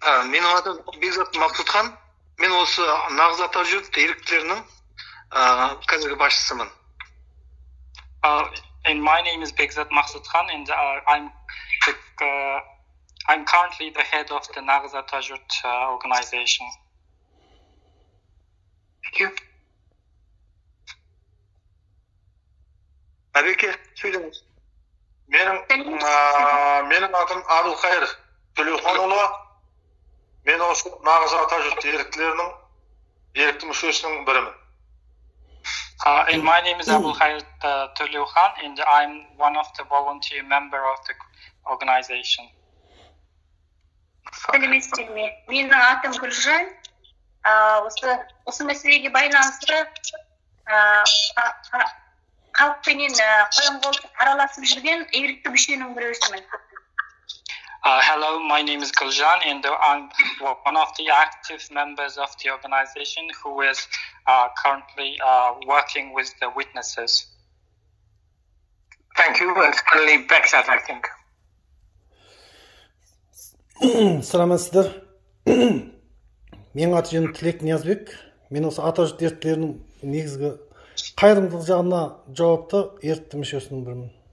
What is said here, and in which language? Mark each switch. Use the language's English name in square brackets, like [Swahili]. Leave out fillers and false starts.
[Kazakh] Мен адам Бекзат Мақсұтхан. Мен осы Нағыз Атажұрт еріктілерінің қазіргі басшысымын. [English] And my name is Bekzat Maksutkhan, and I'm currently the head of the Nağız Atajurt organization. Thank you. [Kazakh] Менің атым Абылқайыр Төлеуханұлы. Мен осы Нағыз Атажұрт еріктілерінің ерікті мүшесінің бірімін. [English] And my name is Abulhayat Tulukhan, and I'm one of the volunteer members of the organization. [Kazakh] Сәлеметсіздер ме? Менің атым Гүлжан. Осы мәселеге байланысты халықпенен қоян-қолтық араласып жүрген ерікті мүшенің біреуісімін. [English] Hello, my name is Gulcan, and I'm one of the active members of the organization who is currently working with the witnesses. Thank you, and finally, Bekzat, I think. [Kazakh] Саламатсыздар. Менің аты жөнім Тілек Ниязбек. Мен осы Атажұрт еріктілерінің негізгі қайырымдылық жағына жауапты ерікті мүшесінің бірімін.